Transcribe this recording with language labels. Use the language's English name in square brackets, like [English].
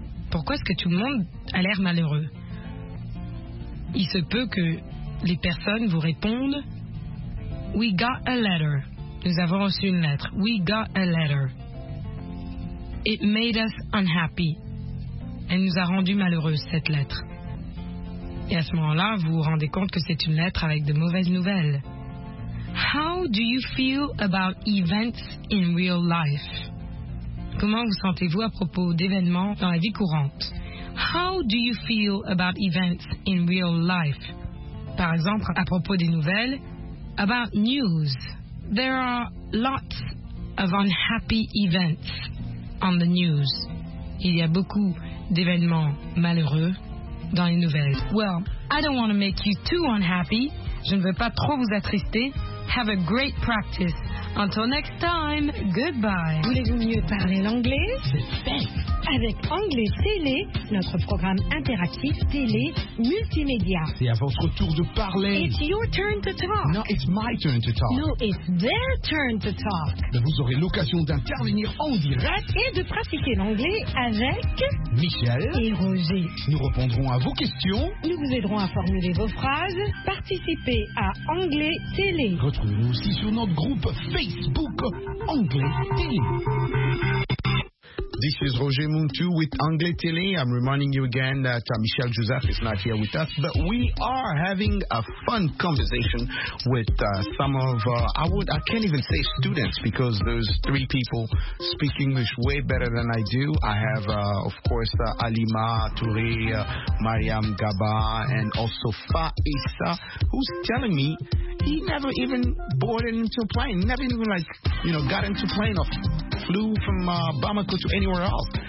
[French] Pourquoi est-ce que tout le monde a l'air malheureux? Il se peut que les personnes vous répondent, [English] We got a letter. [French] Nous avons reçu une lettre. [English] We got a letter. It made us unhappy. [French] Elle nous a rendu malheureuse, cette lettre. Et à ce moment-là, vous vous rendez compte que c'est une lettre avec de mauvaises nouvelles. [English] How do you feel about events in real life? [French] Comment vous sentez-vous à propos d'événements dans la vie courante? [English] How do you feel about events in real life? [French] Par exemple, à propos des nouvelles, [English] about news. There are lots of unhappy events on the news. [French] Il y a beaucoup d'événements malheureux dans les nouvelles. [English] Well, I don't want to make you too unhappy. [French] Je ne veux pas trop vous attrister. [English] Have a great practice. Until next time, goodbye. [French] Voulez-vous mieux parler l'anglais? C'est fait. avec Anglais Télé, notre programme interactif télé multimédia. C'est à votre tour de parler. [English] It's your turn to talk. No, it's my turn to talk. No, it's their turn to talk. [French] Mais vous aurez l'occasion d'intervenir en direct et de pratiquer l'anglais avec Michel et Roger. Nous répondrons à vos questions. Nous vous aiderons à formuler vos phrases. Participez à Anglais Télé. Retrouvez-nous aussi sur notre groupe Facebook Anglais Télé. [English] This is Roger Muntu with Anglais Télé. I'm reminding you again that Michel Joseph is not here with us, but we are having a fun conversation with some of I can't even say students, because those three people speak English way better than I do. I have, of course, Alima Touré, Mariam Gaba, and also Faissa, who's telling me he never even boarded into a plane, never even, like, you know, got into a plane or flew from Bamako to anywhere else.